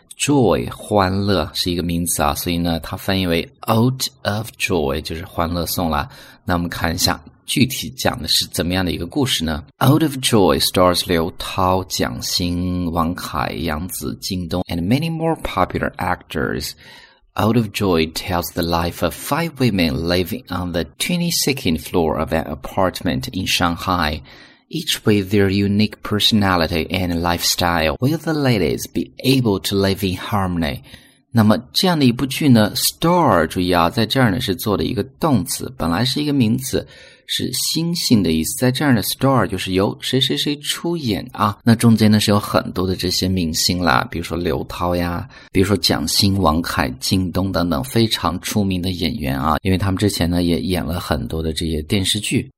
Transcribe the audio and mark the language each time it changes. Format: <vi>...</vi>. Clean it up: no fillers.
<zh>Joy， 欢乐是一个名词啊，所以呢，它翻译为 Out of Joy 就是欢乐颂啦。那我们看一下具体讲的是怎么样的一个故事呢 ？</zh> <en>Out of Joy stars 刘涛、蒋欣、王凯、杨紫、靳东 and many more popular actors。 Out of Joy tells the life of five women living on the 22nd floor of an apartment in Shanghai, each with their unique personality and lifestyle. Will the ladies be able to live in harmony?</en> <zh>那么这样的一部剧呢 ,star, 注意啊在这儿呢是做的一个动词本来是一个名词是星星的意思在这儿呢 ,star 就是由谁谁谁出演啊那中间呢是有很多的这些明星啦比如说刘涛呀比如说蒋欣、王凯、靳东等等非常出名的演员啊因为他们之前呢也演了很多的这些电视剧。</zh>